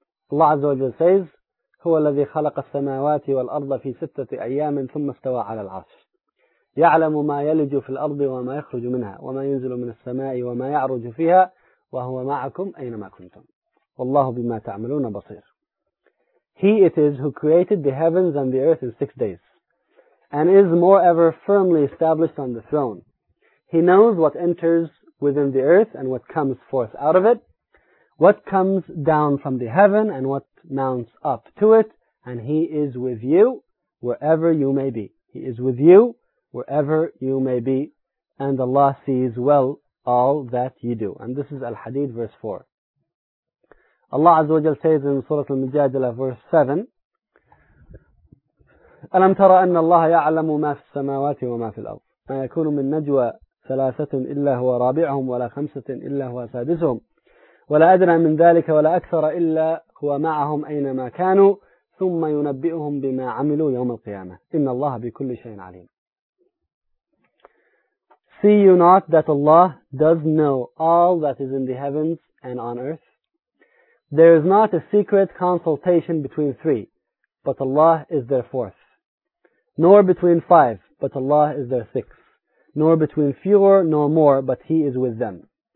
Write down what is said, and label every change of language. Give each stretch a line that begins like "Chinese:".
Arabic: Allah Azza wa Jal says, هو الذي خلق السماوات والأرض في ستة أيام ثم استوى على العرش يعلم ما يلج في الأرض وما يخرج منها وما ينزل من السماء وما يعرج فيها وهو معكم أينما كنتم والله بما تعملون بصير.
English: He it is who created the heavens and the earth in 6 days and is moreover firmly established on the throne. He knows what enters within the earth and what comes forth out of it, what comes down from the heaven and what mounts up to it, and He is with you wherever you may be. He is with you wherever you may be, and Allah sees well all that you do. And this is Al-Hadith verse 4. Allah Azza wa Jal says in Surah Al-Mujadila verse 7,
Arabic: أَلَمْ تَرَ أَنَّ اللَّهَ يَعْلَمُ مَا فِي السَّمَاوَاتِ وَمَا فِي الْأَرْضِ مَا يَكُونُ مِنْ نَجْوَى ثَلَاثَةٍ إِلَّا هُوَ رَابِعُهُمْ وَلَا خَمْسَةٍ إِلَّا هُوَ سَادِسُهُمْ ولا أدنى من ذلك ولا أكثر إلا هو معهم أينما كانوا ثم ينبئهم بما عملوا يوم القيامة إن الله بكل شيء عليم.
English: See you not that Allah does know all that is in the heavens and on earth? There is not a secret consultation between three, but Allah is their fourth. Nor between five, but Allah is their sixth. Nor between fewer nor more, but He is with them.